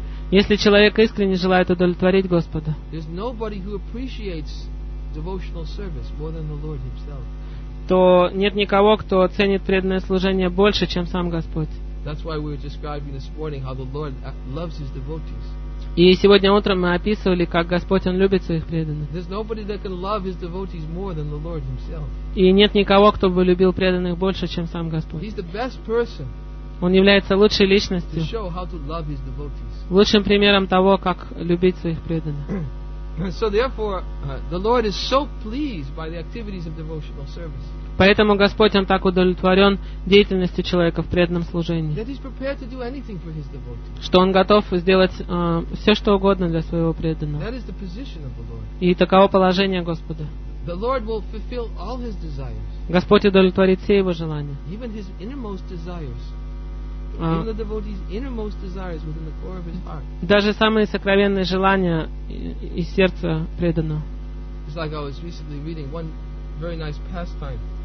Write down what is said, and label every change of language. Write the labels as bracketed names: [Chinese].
[Russian] Если человек искренне желает удовлетворить Господа, то нет никого, кто ценит преданное служение больше, чем сам Господь. [English] That's why we were describing this morning how the Lord loves His devotees. [Russian] И сегодня утром мы описывали, как Господь Он любит своих преданных. [English] There's nobody that can love His devotees more than the Lord Himself. [Russian] И нет никого, кто бы любил преданных больше, чем сам Господь. [English] He's the best person. [Russian] Он является лучшей личностью. [English] To show how to love His devotees. [Russian] Лучшим примером того, как любить своих преданных. [English] So therefore, the Lord is so pleased by the activities of devotional service. [Russian] Поэтому Господь, Он так удовлетворен деятельностью человека в преданном служении. [English] That He's prepared to do anything for His devotees. [Russian] Что Он готов сделать все, что угодно для своего преданного. [English] That is the position of the Lord. [Russian] И таково положение Господа. [English] The Lord will fulfill all His desires. [Russian] Господь удовлетворит все Его желания. [English] Even His innermost desires. Even the devotee's innermost desires within the core of his heart. [Russian] Даже самые сокровенные желания из сердца преданного. [English] It's like I was recently reading one very nice pastime.